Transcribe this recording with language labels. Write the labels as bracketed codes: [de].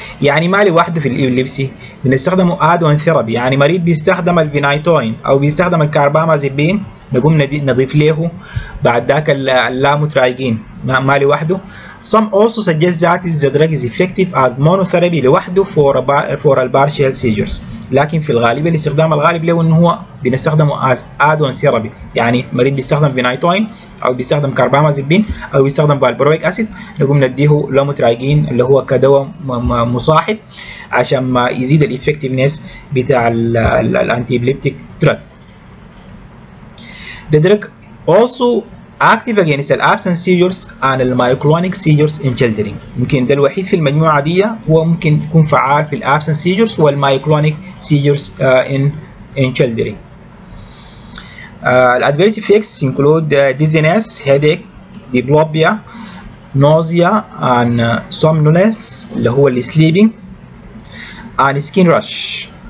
[ar] يعني ما لوحده في الإبليبسي بنستخدمه [en] add-on therapy. [ar] يعني مريض بيستخدم الفينايتوين أو بيستخدم الكاربامازيبين نقوم نضيف له بعد ذاك اللاموترايجين ما لوحده. [en] Some also suggest that the drug is effective as monotherapy [ar] لوحده [en] for partial seizures. [ar] لكن في الغالب الاستخدام الغالب له انه هو بنستخدمه [en] as add-on therapy. [ar] يعني مريض بيستخدم فينايتوين او بيستخدم كاربامازيبين او بيستخدم فالبرويك اسيد نقوم نديه لاموترايجين اللي هو كدواء مصاحب عشان ما يزيد الافكتيفنس بتاع الانتي ابليبتيك drug. [en] The drug also active against the absence seizures and the myoclonic seizures in children. [ar] ممكن ده الوحيد في المجموعة دي هو ممكن يكون فعال في absence seizures وال [en] myoclonic seizures in children. The adverse effects include dizziness, headache, diplopia, nausea and somnolence [ar] اللي هو اللي [en] sleeping and skin rash.